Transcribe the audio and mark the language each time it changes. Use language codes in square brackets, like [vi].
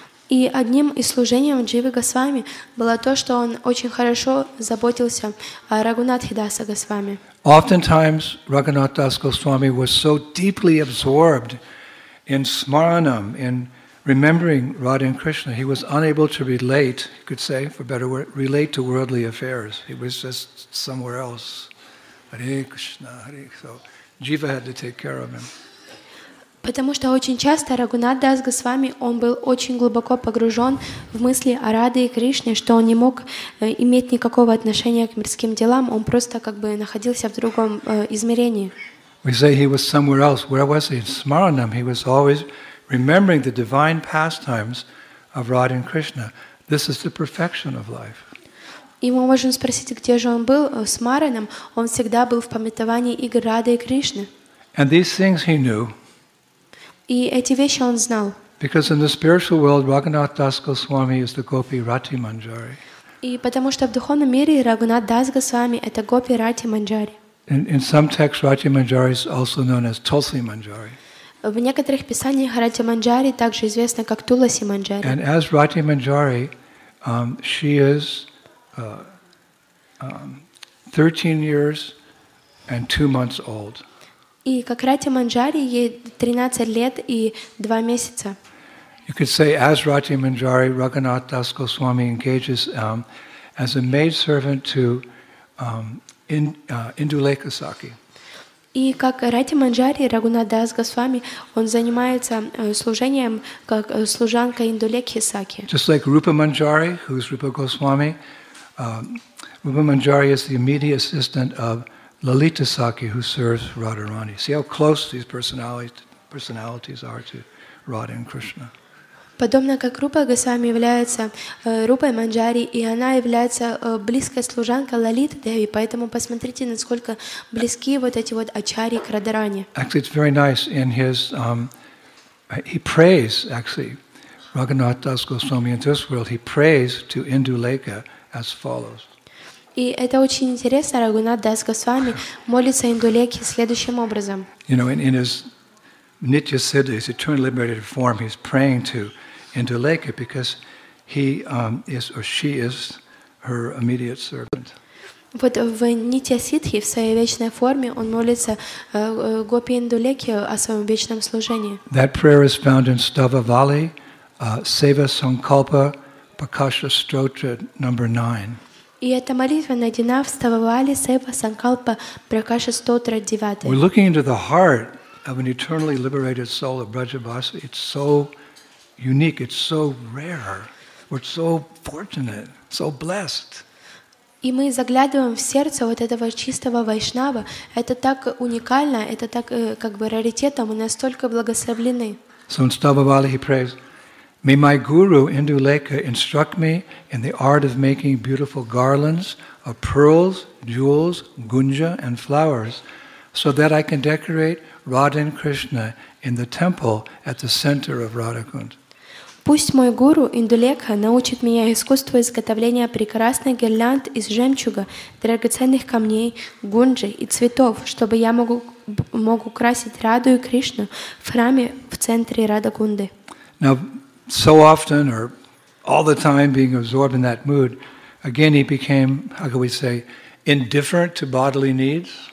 [ru] И одним из служений Дживы Госвами было то, что он очень хорошо заботился о Рагхунатхе Дасе Госвами. [en] Oftentimes Rāghunātha Dās Goswāmī was so deeply absorbed in smaranam, in remembering Radha and Krishna, he was unable to relate, you could say, for better word, relate to worldly affairs. He was just somewhere else. Hare Krishna, Hare Krishna. So Jiva had to take care of him. [ru] Потому что очень часто Рагхунатх Дас Госвами, он был очень глубоко погружен в мысли о Раде и Кришне, что он не мог иметь никакого отношения к мирским делам, он просто как бы находился в другом измерении. [en] We say he was somewhere else. Where was he? In Smaranam. He was always remembering the divine pastimes of Radha and Krishna. This is the perfection of life. [ru] И мы можем спросить, где же он был? В Смаранам. Он всегда был в памятовании игр Рады и Кришны. [en] And these things he knew. [ru] И эти вещи он знал. [en] Because in the spiritual world, Raghunath Das Goswami is the Gopi Rati Manjari. [ru] И потому что в духовном мире Рагунат Дас Госвами это Гопи Рати Манджари. [en] In some texts, Rati Manjari is also known as Tulsi Manjari. [ru] В некоторых писаниях Рати Манджари также известна как Туласи Манджари. [en] And as Rati Manjari, she is 13 years and 2 months old. [ru] И как Рати Манджари ей 13 лет и 2 месяца. [en] You could say, as Rati Manjari, Raghunath Das Goswami engages as a maidservant to Induleka Sakhi. [ru] И как Рати Манджари, Рагунат Дас Госвами, он занимается служением как служанка Индулекхи Сакхи. [en] Just like Rupa Manjari, who is Rupa Goswami, Rupa Manjari is the immediate assistant of Lalita Sakhi, who serves Radharani. See how close these personalities are to Radha and Krishna. [ru] Подобно как Рупа Госвами является Рупой Манджари, и она является близкой служанкой Лалиты Деви, поэтому посмотрите, насколько близки вот эти вот ачари к Радаране. [en] Actually, it's very nice in his he prays actually Raghunath Das Goswami in this world. He prays to Induleka as follows. [ru] И это очень интересно. Рагунат Дас Госвами молится Индулеке следующим образом. [en] You know, in his Nitya Siddha, his eternal liberated form, he's praying to Induleka because he is or she is her immediate servant. [ru] Вот в Нитья Сиддхи, в своей вечной форме, он молится Гопи Индулеке о своем вечном служении. [en] That prayer is found in Stavavali, Seva Sankalpa, Prakasha Strotra, number 9. [ru] И эта молитва найдена в Стававали, Сева Санкалпа, Пракаша Стотра, 9. [en] We're looking into the heart of an eternally liberated soul of Brajavasa. It's so unique, it's so rare, we're so fortunate, so blessed. [ru] И мы заглядываем в сердце вот этого чистого вайшнава. Это так уникально, это так как бы раритетом, мы настолько благословлены. [en] So in Stavavali he prays, may my guru Induleka instruct me in the art of making beautiful garlands of pearls, jewels, gunja, and flowers, so that I can decorate Radha and Krishna in the temple at the center of Radhakund. [ru] Пусть мой гуру Индулека научит меня искусству изготовления прекрасных гирлянд из жемчуга, драгоценных камней, гунджи и цветов, чтобы я мог украсить Раду и Кришну в храме в центре Радхакунды. [en] Now, so often or all the time being absorbed in that mood, again he became, how can we say, indifferent to bodily needs.